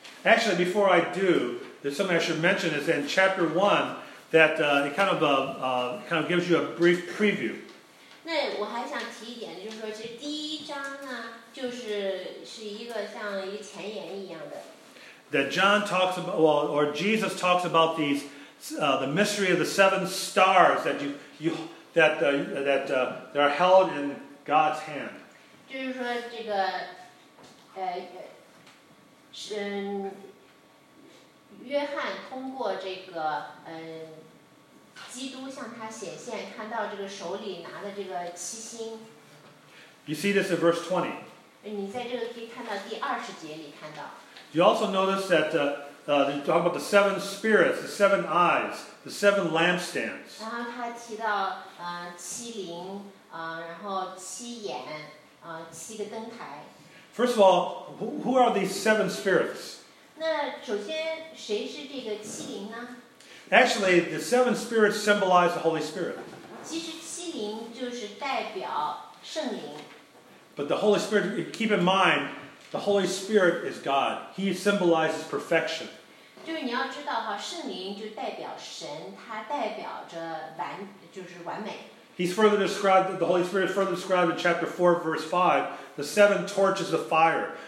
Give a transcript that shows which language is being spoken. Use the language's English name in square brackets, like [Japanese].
[English] Actually, before I do, there's something I should mention is in chapter 1 that it kind of gives you a brief preview. [Chinese] 那我还想提一点就是说其实第一章呢就是是一个像一个前言一样的。 [English] That John talks about, well, or Jesus talks about these, the mystery of the seven stars that that are held in God's hand. [Chinese] 就是说这个，是约翰通过这个，基督向他显现，看到这个手里拿的这个七星。 [English] You see this in verse 20. [Chinese] 你在这个可以看到第二十节里看到。 [English] You also notice that they talk about the seven spirits, the seven eyes, the seven lampstands. [Chinese] 然后他提到七灵然后七眼七个灯台。 [English] First of all, who are these seven spirits? [Chinese] 那首先谁是这个七灵呢? [English] Actually, the seven spirits symbolize the Holy Spirit. [Chinese] 其实七灵就是代表圣灵。 [English] But the Holy Spirit, keep in mind,The Holy Spirit is God. He symbolizes perfection. [Chinese] 就是你要知道哈，圣灵就代表神，它代表着完，就是完美。 [English] He's further described, the Holy Spirit is further described in chapter 4, verse 5, the seven torches of fire.